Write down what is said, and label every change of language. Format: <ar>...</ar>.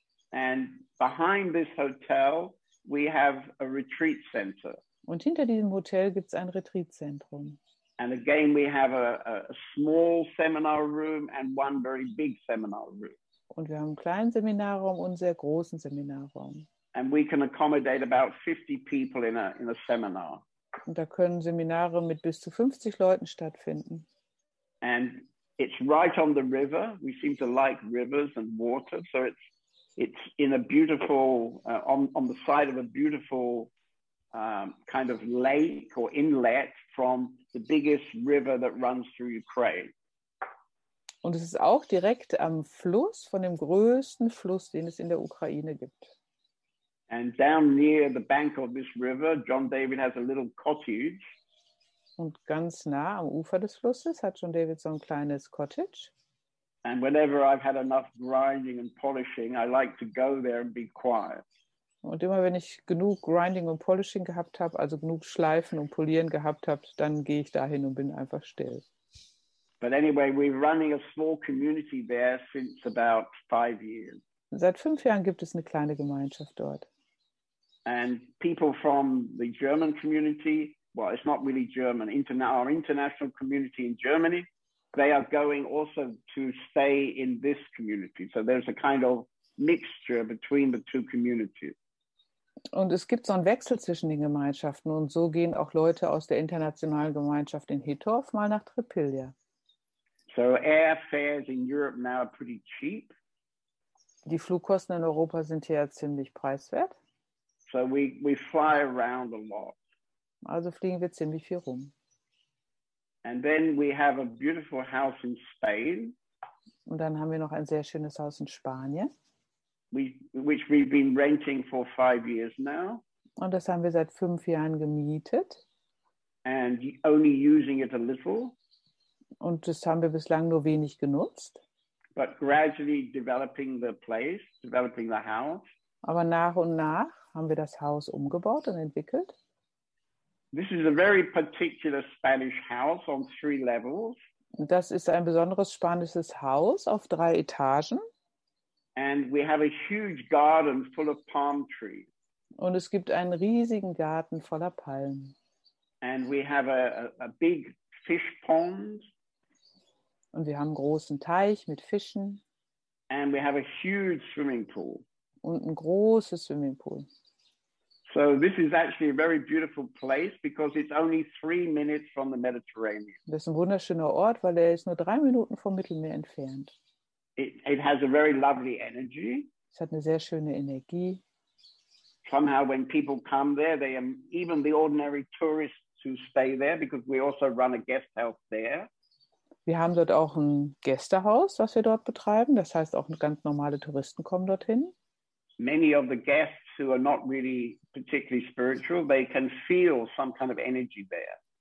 <en>And behind this hotel we have a retreat center.</en> <de>Und hinter diesem Hotel gibt's ein Retreatzentrum.</de> <en>And again we have a small seminar room and one very big seminar room.</en> <de>Und wir haben einen kleinen Seminarraum und einen sehr großen Seminarraum.</de> <en>And we can accommodate about 50 people in a seminar.</en> <de>Und da können Seminare mit bis zu 50 Leuten stattfinden.</de> <en>And it's right on the river. We seem to like rivers and water, so it's in a beautiful on the side of a beautiful kind of lake or inlet from the biggest river that runs through Ukraine.</en> <de>Und es ist auch direkt am Fluss von dem größten Fluss, den es in der Ukraine gibt.</de> <en>And down near the bank of this river, John David has a little cottage.</en> <de>Und ganz nah am Ufer des Flusses hat John David so ein kleines Cottage.</de> <en>And whenever I've had enough grinding and polishing, I like to go there and be quiet.</en> <de>Und immer wenn ich genug</de> <en>grinding</en> <de>und</de> <en>polishing</en> <de>gehabt habe, also genug schleifen und polieren gehabt habe, dann gehe ich dahin und bin einfach still.</de> <en>But anyway, we're running a small community there since about 5 years.</en> <de>Seit 5 Jahren gibt es eine kleine Gemeinschaft dort.</de> <en>And people from the German community. Well, it's not really German. Our international community in Germany. they are going also to stay in this community. So there's a kind of mixture between the two communities.</en> <de>Und es gibt so einen Wechsel zwischen den Gemeinschaften und so gehen auch Leute aus der internationalen Gemeinschaft in Hittorf mal nach Trippilia.</de> <en>So airfares in Europe now are pretty cheap.</en> <de>Die Flugkosten in Europa sind hier ja ziemlich preiswert.</de> <en>So we fly around a lot.</en> <de>Also fliegen wir ziemlich viel rum.</de> <en>And then we have a beautiful house in Spain.</en> <de>Und dann haben wir noch ein sehr schönes Haus in Spanien.</de> <en>Which we've been renting for 5 years now.</en> <de>Und das haben wir seit 5 Jahren gemietet.</de> <en>And only using it a little.</en> <de>Und das haben wir bislang nur wenig genutzt.</de> <en>But gradually developing the place, developing the house.</en> <de>Aber nach und nach haben wir das Haus umgebaut und entwickelt.</de> <en>This is a very particular Spanish house on 3 levels.</en> <de>Das ist ein besonderes spanisches Haus auf 3 Etagen.</de> <en>And we have a huge garden full of palm trees.</en> <de>Und es gibt einen riesigen Garten voller Palmen.</de> <en>And we have a big fish pond.</en> <de>Und wir haben einen großen Teich mit Fischen.</de> <en>And we have a huge swimming pool.</en> <de>Und ein großes Swimmingpool.</de> <en>So this is actually a very beautiful place because it's only 3 minutes from the Mediterranean.</en> <de>Das ist ein wunderschöner Ort, weil er ist nur 3 Minuten vom Mittelmeer entfernt.</de> <en>It has a very lovely energy.</en> <de>Es hat eine sehr schöne Energie.</de> <en>Somehow when people come there, they are even the ordinary tourists who stay there because we also run a guest house there.</en> <de>Wir haben dort auch ein Gästehaus, was wir dort betreiben. Das heißt, auch ganz normale Touristen kommen dorthin.</de> <en>Many of the guests who are not really particularly spiritual, they can feel some kind of energy there.</en>